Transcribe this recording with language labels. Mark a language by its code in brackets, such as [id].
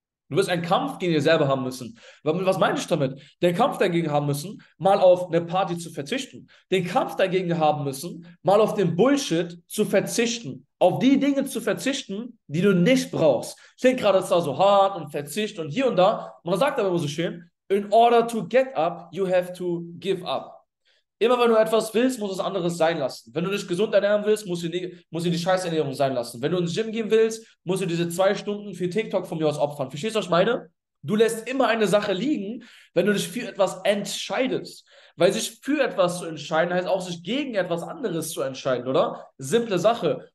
[de] Du wirst einen Kampf gegen dich selber haben müssen. Was meine ich damit? Den Kampf dagegen haben müssen, mal auf eine Party zu verzichten. Den Kampf dagegen haben müssen, mal auf den Bullshit zu verzichten. Auf die Dinge zu verzichten, die du nicht brauchst. Klingt gerade zwar so hart und verzicht und hier und da. Man sagt aber immer so schön, [en] In order to get up, you have to give up. [de] Immer wenn du etwas willst, musst du es anderes sein lassen. Wenn du dich gesund ernähren willst, musst du die Scheißernährung sein lassen. Wenn du ins Gym gehen willst, musst du diese 2 Stunden für TikTok von mir aus opfern. Verstehst du, was ich meine? Du lässt immer eine Sache liegen, wenn du dich für etwas entscheidest. Weil sich für etwas zu entscheiden, heißt auch, sich gegen etwas anderes zu entscheiden, oder? Simple Sache.